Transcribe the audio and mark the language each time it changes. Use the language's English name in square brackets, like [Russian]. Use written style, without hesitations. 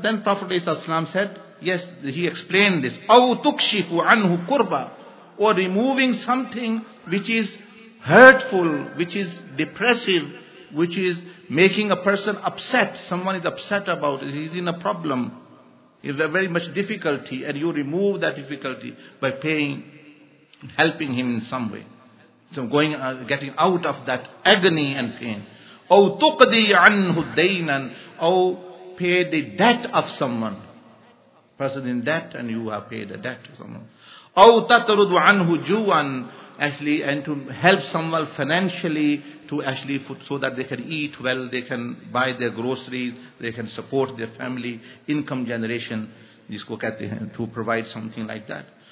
[English] Then Prophet said, yes, he explained this. [Arabic] أَوْ تُكْشِفُ عَنْهُ [English] kurba, or removing something which is hurtful, which is depressive, which is making a person upset. Someone is upset about it. He's in a problem. It's a very much difficulty, and you remove that difficulty by paying, helping him in some way. So going, getting out of that agony and pain. [Arabic] أو تقضي عنه دينا, [English] أو pay the debt of someone. Person in debt, and you have paid a debt to someone. [Arabic] أو تطرد عنه جوعا, [English] actually, and to help someone financially, to actually food, so that they can eat well, they can buy their groceries, they can support their family, income generation, [Urdu] jisko kehte hain, [English] to provide something like that.